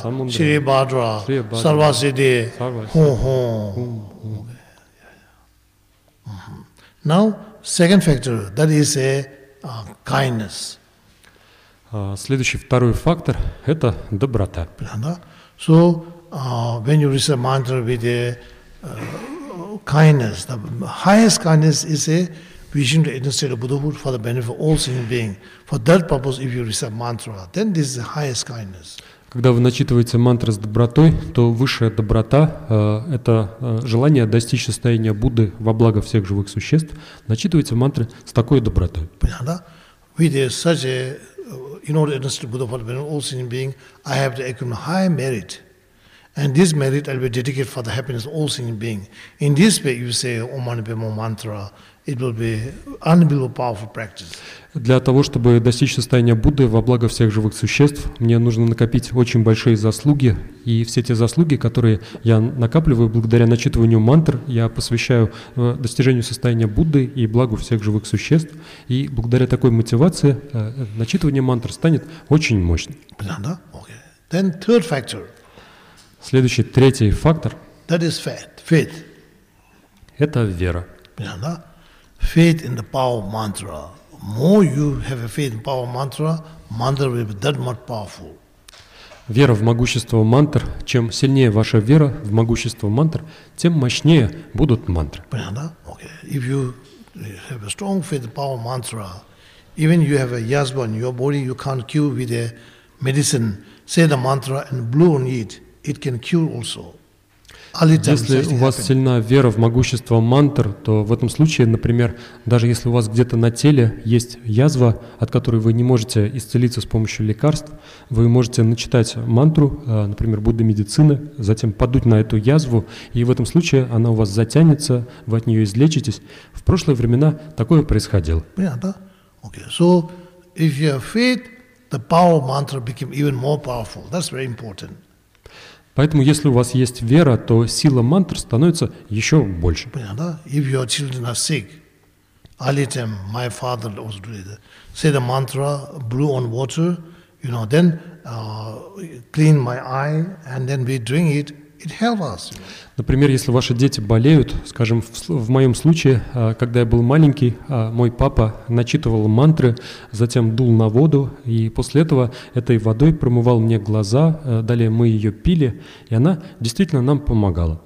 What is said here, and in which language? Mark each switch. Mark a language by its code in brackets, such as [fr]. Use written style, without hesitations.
[sa] Самундра, Шри Бадра, Сарвасиди, Хун Хун. [en] Now, second factor, that is a kindness. [ru] Следующий второй фактор – это доброта. [en] So, when you receive a mantra with a kindness, the highest kindness is a vision to initiate a Buddhahood for the benefit of all sentient beings. For that purpose, if you recite mantra, then this is the highest kindness. [ru] Когда вы начитываете мантры с добротой, то высшая доброта – это желание достичь состояния Будды во благо всех живых существ. Начитывайте мантры с такой добротой. Понятно? [en] With such a, in order to initiate a Buddhahood for the benefit of all sentient beings, I have to accumulate high merit. And this merit I will dedicate for the happiness of all sentient beings. In this way, you say, Om Mani Padme Hum mantra, it will be unbelievable powerful practice. [ru] Для того, чтобы достичь состояния Будды во благо всех живых существ, мне нужно накопить очень большие заслуги. И все те заслуги, которые я накапливаю благодаря начитыванию мантр, я посвящаю достижению состояния Будды и благу всех живых существ. И благодаря такой мотивации начитывание мантр станет очень мощным. Да? [en] Okay. Then third factor. [ru] Следующий, третий фактор. [en] That is faith. Faith. [ru] Это вера. Да? [en] Faith in the power of mantra. more you have a faith in power mantra, mantra will be that much powerful. [ru] Вера в могущество мантр, чем сильнее ваша вера в могущество мантр, тем мощнее будут мантры. Понятно? [en] Okay. [ru] If you have a strong faith in power mantra, even you have a язва in your body, you can't cure with a medicine, say the mantra and blow on it, it can cure also. Если у вас сильна вера в могущество мантр, то в этом случае, например, даже если у вас где-то на теле есть язва, от которой вы не можете исцелиться с помощью лекарств, вы можете начитать мантру, например, Будды медицины, затем подуть на эту язву, и в этом случае она у вас затянется, вы от нее излечитесь. В прошлые времена такое происходило. Понятно? [en] Okay. So, if you have faith, the power of mantra became even more powerful. That's very important. [ru] Поэтому, если у вас есть вера, то сила мантр становится еще больше. Понятно? [en] If your children are sick, early time, my father was doing it. Say the mantra, blew on water, you know, then clean my eye, and then we drink it. It helps us. [ru] Например, если ваши дети болеют, скажем, в моем случае, когда я был маленький, мой папа начитывал мантры, затем дул на воду, и после этого этой водой промывал мне глаза, далее мы ее пили, и она действительно нам помогала.